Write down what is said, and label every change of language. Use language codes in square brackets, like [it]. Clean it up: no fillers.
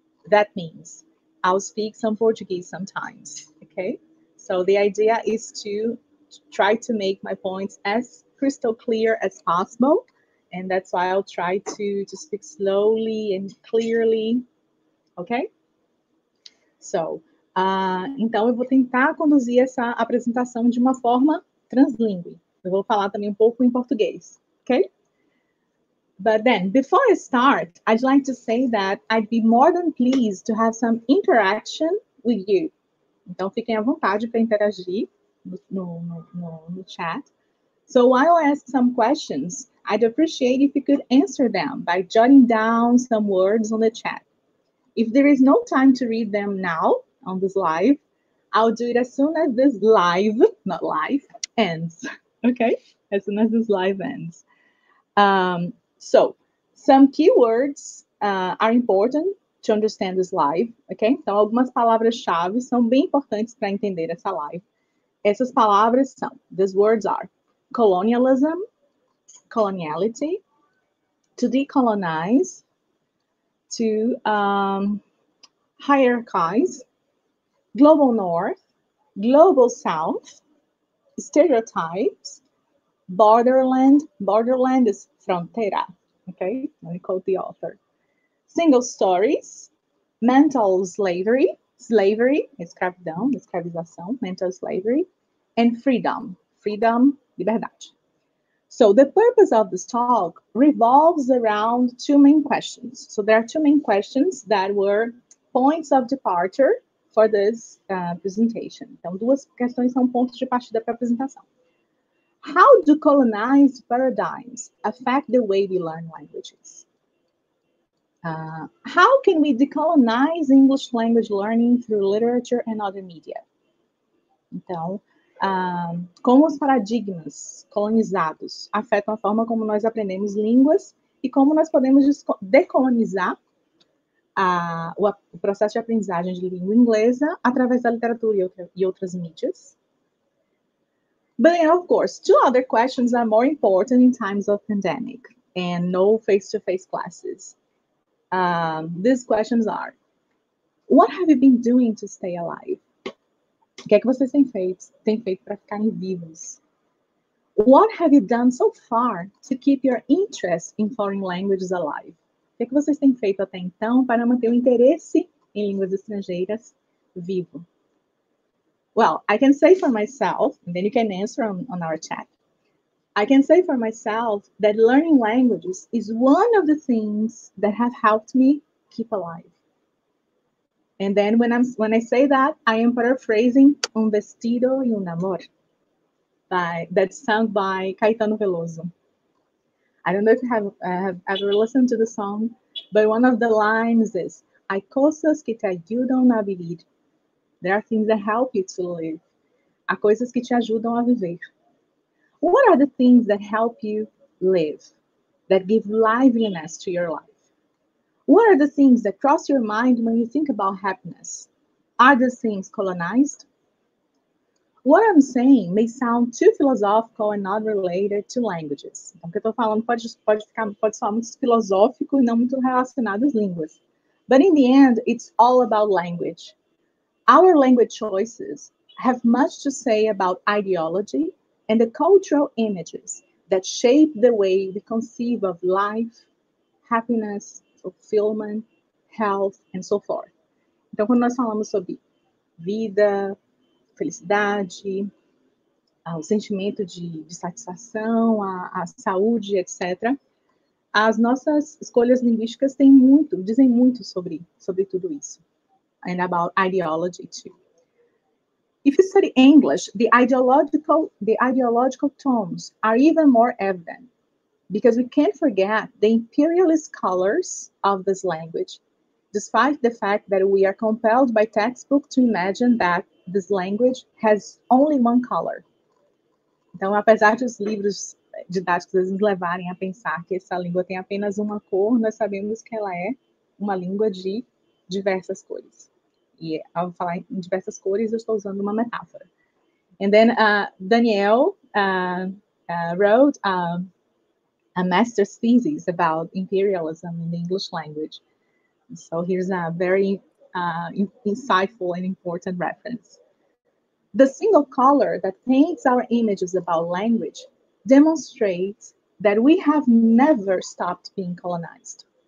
[en] That means I'll speak some Portuguese sometimes, okay? So the idea is to try to make my points as crystal clear as possible. And that's why I'll try to speak slowly and clearly, okay? [pt] So, então eu vou tentar conduzir essa apresentação de uma forma translingue. Eu vou falar também um pouco em português, okay? [en] But then, before I start, I'd like to say that I'd be more than pleased to have some interaction with you. [pt] Então, fiquem à vontade para interagir no chat. [en] So, while I ask some questions, I'd appreciate if you could answer them by jotting down some words on the chat. If there is no time to read them now on this live, I'll do it as soon as this live, not live, ends. Okay? As soon as this live ends. So, some keywords are important to understand this live, ok? [pt] Então, algumas palavras-chave são bem importantes para entender essa live. Essas palavras são, [en] these words are, colonialism, coloniality, to decolonize, to hierarchize, global north, global south, stereotypes, borderland is frontera, ok? Let me quote the author. Single stories, mental slavery, escravidão, escravização, mental slavery, and freedom, liberdade. So the purpose of this talk revolves around two main questions. So there are two main questions that were points of departure for this presentation. [pt] Então, duas questões são pontos de partida para a apresentação. [en] How do colonized paradigms affect the way we learn languages? How can we decolonize English language learning through literature and other media? [pt] Então, como os paradigmas colonizados afetam a forma como nós aprendemos línguas e como nós podemos decolonizar o processo de aprendizagem de língua inglesa através da literatura e outras mídias. [en] But then, of course, two other questions are more important in times of pandemic and no face-to-face classes. These questions are, what have you been doing to stay alive? [pt] O que é que vocês têm feito para ficarem vivos? [en] What have you done so far to keep your interest in foreign languages alive? [pt] O que é que vocês têm feito até então para manter o interesse em línguas estrangeiras vivo? [en] Well, I can say for myself, and then you can answer on our chat. I can say for myself that learning languages is one of the things that have helped me keep alive. And then when I say that, I am paraphrasing Um Vestido e Um Amor, that song by Caetano Veloso. I don't know if you have ever listened to the song, but one of the lines is, [es] Hay cosas que te ayudan a vivir. [en] There are things that help you to live. [pt] Há coisas que te ajudam a viver. [en] What are the things that help you live, that give liveliness to your life? What are the things that cross your mind when you think about happiness? Are these things colonized? What I'm saying may sound too philosophical and not related to languages. [pt] Então, o que eu estou falando pode soar muito filosófico e não muito relacionado às línguas. [en] But in the end, it's all about language. Our language choices have much to say about ideology and the cultural images that shape the way we conceive of life, happiness, fulfillment, health, and so forth. [pt] Então, quando nós falamos sobre vida, felicidade, o sentimento de satisfação, a saúde, etc., as nossas escolhas linguísticas dizem muito sobre tudo isso. [en] And about ideology, too. If you study English, the ideological tones are even more evident. Because we can't forget the imperialist colors of this language, despite the fact that we are compelled by textbook to imagine that this language has only one color. [pt] Então, apesar dos livros didáticos nos levarem a pensar que essa língua tem apenas uma cor, nós sabemos que ela é uma língua de diversas cores. E ao falar em diversas cores, eu estou usando uma metáfora. [en] And then Daniel wrote a master's thesis about imperialism in the English language. So here's a very insightful and important reference. The single color that paints our images about language demonstrates that we have never stopped being colonized.